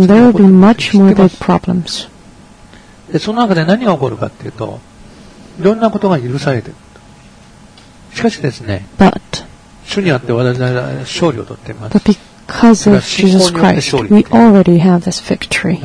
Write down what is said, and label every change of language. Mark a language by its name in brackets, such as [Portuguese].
[English] and there will be much more big problems. [Japanese] で、その中で何が起こるかっていうと、いろんなことが許されてる。しかしですね、 [English] but [Japanese] 主にあって私は勝利を取っています。 [English] But because of Jesus Christ, we already have this victory.